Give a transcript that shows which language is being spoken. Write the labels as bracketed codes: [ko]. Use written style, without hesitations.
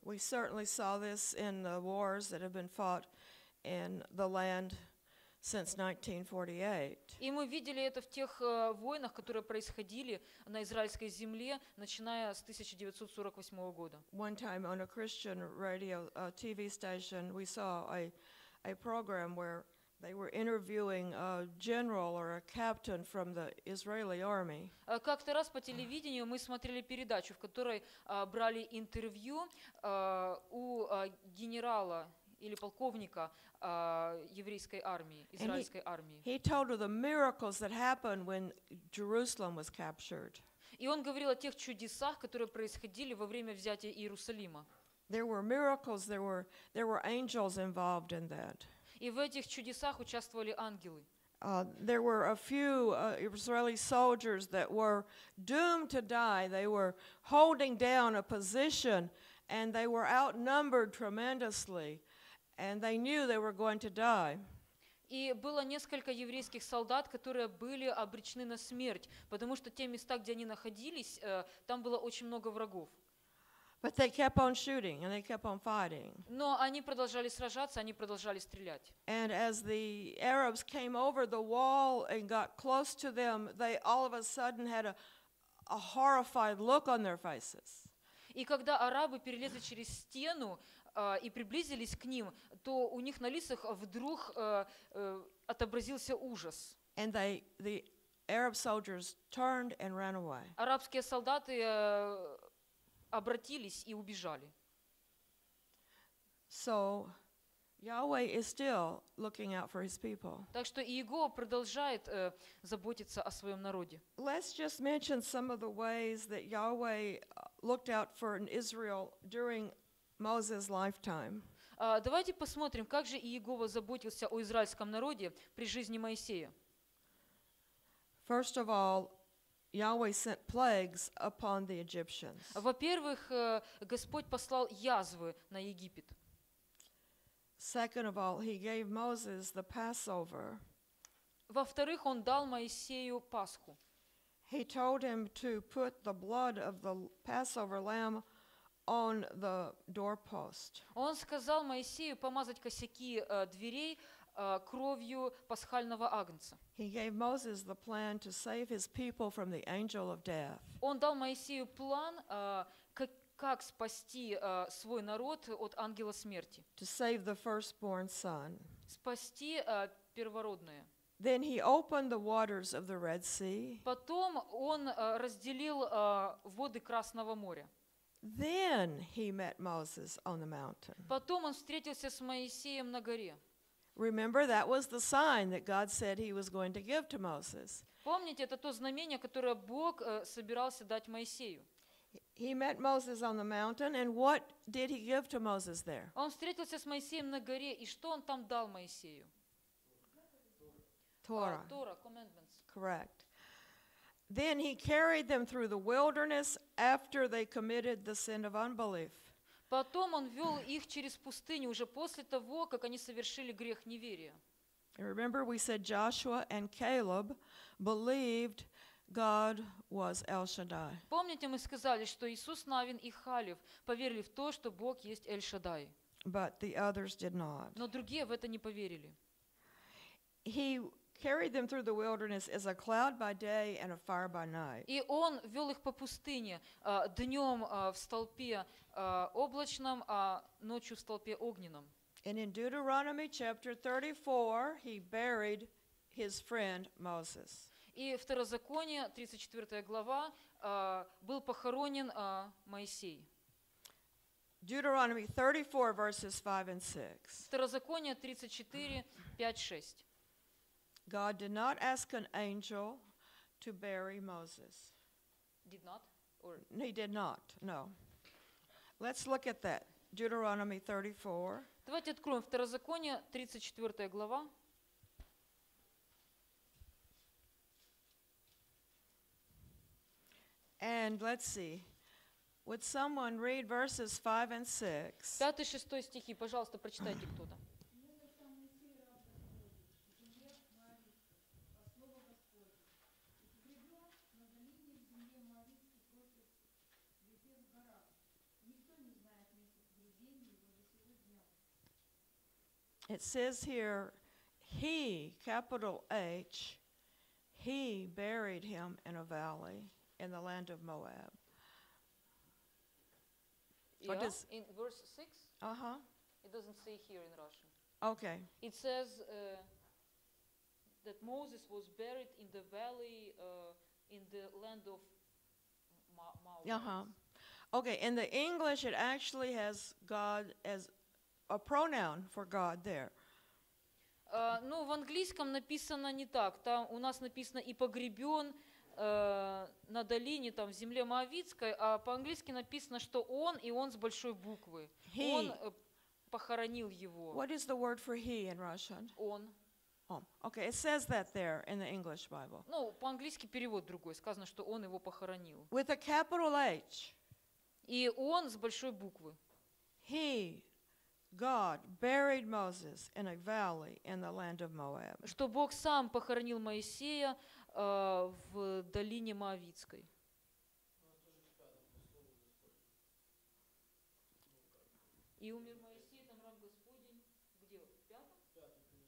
[en] We certainly saw this in the wars that have been fought in the land since 1948. [ru] И мы видели это в тех войнах, которые происходили на израильской земле, начиная с 1948 года. [en] One time on a Christian radio TV station, we saw a program where They were interviewing a general or a captain from the Israeli army. [ru] Как-то раз по телевидению мы смотрели передачу, в которой брали интервью у генерала или полковника еврейской армии, израильской армии. [en] He told of the miracles that happened when Jerusalem was captured. [ru] И он говорил о тех чудесах, которые происходили во время взятия Иерусалима. [en] There were miracles, there were angels involved in that. [ru] И в этих чудесах участвовали ангелы. [en] There were a few Israeli soldiers that were doomed to die. They were holding down a position, and they were outnumbered tremendously, and they knew they were going to die. [ru] И было несколько еврейских солдат, которые были обречены на смерть, потому что те места, где они находились, там было очень много врагов. [en] But they kept on shooting and they kept on fighting. [ru] Но они продолжали сражаться, они продолжали стрелять. [en] And as the Arabs came over the wall and got close to them, they all of a sudden had a horrified look on their faces. [ru] И когда арабы перелезли через стену и приблизились к ним, то у них на лицах вдруг отобразился ужас. [en] And the Arab soldiers turned and ran away. [ru] Арабские солдаты обратились и убежали. [en] So Yahweh is still looking out for his people. [ru] Так что Иегова продолжает заботиться о своем народе. [en] Let's just mention some of the ways that Yahweh looked out for Israel during Moses' lifetime. [ru] Давайте посмотрим, как же Иегова заботился о израильском народе при жизни Моисея. [en] First of all, Yahweh sent plagues upon the Egyptians. [ru] Во-первых, Господь послал язвы на Египет. [en] Second of all, he gave Moses the Passover. [ru] Во-вторых, он дал Моисею Пасху. [en] He told him to put the blood of the Passover lamb on the doorpost. [ru] Он сказал Моисею помазать косяки дверей кровью пасхального агнца. [en] He gave Moses the plan to save his people from the angel of death. [ru] Он дал Моисею план, как спасти свой народ от ангела смерти. [en] To save the firstborn son. [ru] Спасти первородное. [en] Then he opened the waters of the Red Sea. [ru] Потом он разделил воды Красного моря. [en] Then he met Moses on the mountain. [ru] Потом он встретился с Моисеем на горе. [en] Remember, that was the sign that God said he was going to give to Moses. [ru] Помните, это то знамение, которое Бог собирался дать Моисею. [en] He met Moses on the mountain, and what did he give to Moses there? [ru] Он встретился с Моисеем на горе, и что он там дал Моисею? [en] Torah. Torah, commandments. Correct. Then he carried them through the wilderness after they committed the sin of unbelief. [ru] Потом он вел их через пустыню уже после того, как они совершили грех неверия. [en] Remember, we said Joshua and Caleb believed God was El Shaddai. [ru] Помните, мы сказали, что Иисус Навин и Халев поверили в то, что Бог есть Эль Шадай. [en] But the others did not. [ru] Но другие в это не поверили. [en] He carried them through the wilderness as a cloud by day and a fire by night. [ru] И он вел их по пустыне днем в столпе облачном, а ночью в столпе огненном. [en] And in Deuteronomy chapter 34, he buried his friend Moses. [ru] И в Второзаконии 34 глава был похоронен Моисей. [en] Deuteronomy 34 verses 5 and 6. [ru] Второзаконие 34, 5, 6. [en] God did not ask an angel to bury Moses. Did not? Or he did not, no. Let's look at that. Deuteronomy 34. [ru] Давайте откроем Второзаконие, 34 глава. [en] And let's see. Would someone read verses 5 and 6? [ru] 5-6 стихи, пожалуйста, прочитайте кто-то. [en] It says here, he, capital H, he buried him in a valley in the land of Moab. Yeah, in verse 6? Uh-huh. It doesn't say here in Russian. Okay. It says, that Moses was buried in the valley in the land of Moab. Uh-huh. Okay, in the English it actually has God as a pronoun for God there. [ru] Ну, в английском написано не так. Там у нас написано и погребён на долине, там, в земле Моавитской, а по-английски написано, что он, и он с большой буквы. [en] He. [ru] Он похоронил его. [en] What is the word for he in Russian? [ru] Он. [en] Oh, okay, it says that there in the English Bible. [ru] Ну, по-английски перевод другой. Сказано, что он его похоронил. [en] With a capital H. [ru] И он с большой буквы. [en] He. God buried Moses in a valley in the land of Moab. [ru] Что Бог сам похоронил Моисея в долине Моавитской. И умер Моисей, там раб Господень. Где? В пятом?